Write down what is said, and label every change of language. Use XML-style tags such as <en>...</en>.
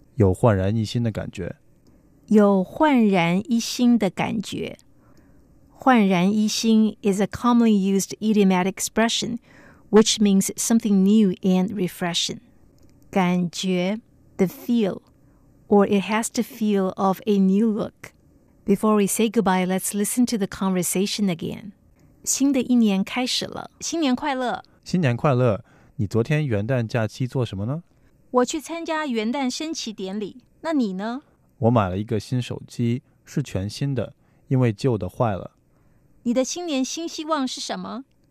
<zh>有焕然一新的感觉。有焕然一新的感觉。焕然一新</zh> <en>is a commonly used idiomatic expression, which means something new and refreshing. 感觉, the feel, or it has the feel of a new look. Before we say goodbye, let's listen to the conversation again.</en> <zh>新的一年开始了，新年快乐。新年快乐。你昨天元旦假期做什么呢？我去参加元旦升旗典礼。那你呢？我买了一个新手机，是全新的，因为旧的坏了。你的新年新希望是什么？</zh>